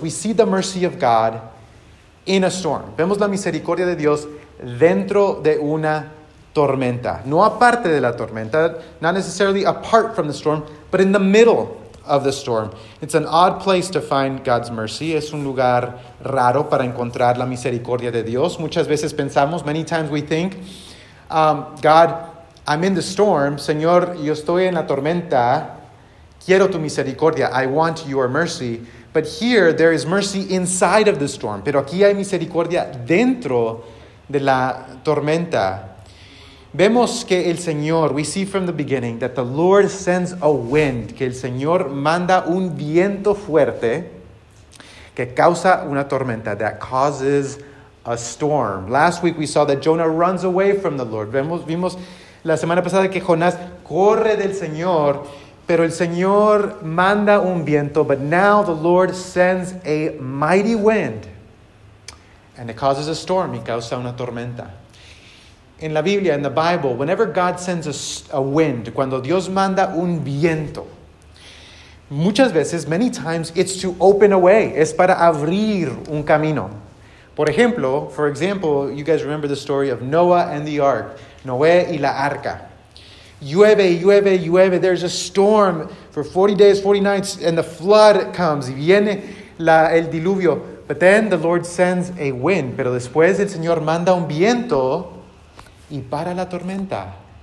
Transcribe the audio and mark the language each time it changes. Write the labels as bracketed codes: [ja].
[en] We see the mercy of God in a storm. [es] Vemos la misericordia de Dios dentro de una tormenta. No aparte de la tormenta, [en] not necessarily apart from the storm, but in the middle of the storm. It's an odd place to find God's mercy. [es] Es un lugar raro para encontrar la misericordia de Dios. Muchas veces pensamos, [en] many times we think, God, I'm in the storm. [es] Señor, yo estoy en la tormenta. Quiero tu misericordia. [en] I want your mercy. But here, there is mercy inside of the storm. [es] Pero aquí hay misericordia dentro de la tormenta. Vemos que el Señor, [en] we see from the beginning that the Lord sends a wind, [es] que el Señor manda un viento fuerte que causa una tormenta, [en] that causes a storm. Last week we saw that Jonah runs away from the Lord. [es] Vimos la semana pasada que Jonás corre del Señor, pero el Señor manda un viento, [en] but now the Lord sends a mighty wind and it causes a storm [es] y causa una tormenta. [en] In la Biblia, in the Bible, whenever God sends a wind, [es] cuando Dios manda un viento, muchas veces, [en] many times, it's to open a way. [es] Es para abrir un camino. [en] For example, you guys remember the story of Noah and the ark. [es] Noé y la arca. Llueve, llueve, llueve. [en] There's a storm for 40 days, 40 nights, and the flood comes. [es] Y viene el diluvio. [en] But then the Lord sends a wind. [es] Pero después el Señor manda un viento, y para la tormenta.